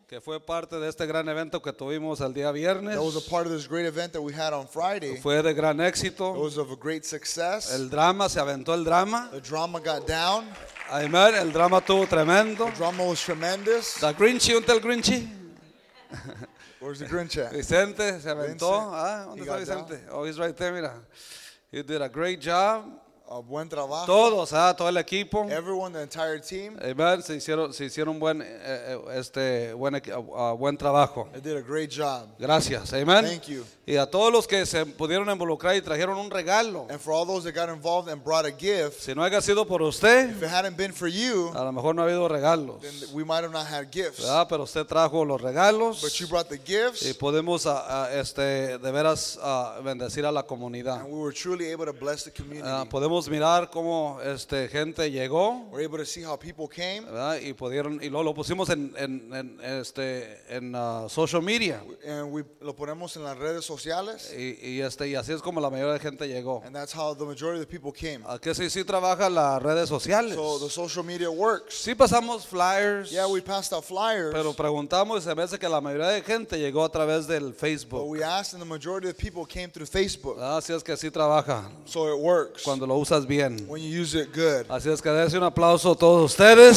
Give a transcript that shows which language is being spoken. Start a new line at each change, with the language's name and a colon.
Spanish: que fue parte de este gran evento que tuvimos el día viernes,
English: that was a part of this great event that we had on Friday,
Spanish: fue de gran éxito,
English: it was of a great success,
Spanish: el drama se aventó el drama,
English: the drama got down,
Spanish: amen, el drama tuvo tremendo,
English: the drama was tremendous,
Spanish: the Grinchy, ¿dónde el Grinchy?
English: Where's the Grinch at?
Spanish: Vicente se aventó, ah, ¿dónde está Vicente?
English: Down. Oh, he's right there,
Spanish: mira,
English: he did a great job.
Spanish: A buen trabajo. Todos, ¿eh? Todo el equipo.
English: Everyone, the entire team.
Spanish: Amen. Se hicieron buen trabajo.
English: They did a great job.
Spanish: Gracias. Amen.
English: Thank you.
Spanish: Y a todos los que se pudieron involucrar y trajeron un regalo.
English: And for all those that got involved and brought a gift.
Spanish: Si no haya sido por usted.
English: If it hadn't been for you.
Spanish: A lo mejor no ha habido regalos.
English: Then we might have not had gifts.
Spanish: ¿Verdad? Pero usted trajo los regalos.
English: But you brought the gifts.
Spanish: Y podemos de veras bendecir a la comunidad.
English: And we were truly able to bless the community.
Spanish: Podemos mirar cómo gente llegó.
English: We're able to see how people came.
Spanish: ¿Verdad? Y pudieron y lo pusimos en social media.
English: And we
Spanish: lo ponemos en las redes sociales. Y así es como la mayoría de gente llegó.
English: And that's how the majority of the people came.
Spanish: ¿A qué sí trabaja las redes sociales?
English: So the social media works.
Spanish: Sí pasamos flyers.
English: Yeah, we passed out flyers.
Spanish: Pero preguntamos y se ve que la mayoría de gente llegó a través del Facebook.
English: But we asked and the majority of the people came through Facebook.
Spanish: Así es que sí trabaja.
English: So it works.
Spanish: Cuando lo usas bien.
English: When you use it good.
Spanish: Así es que dése un aplauso a todos ustedes.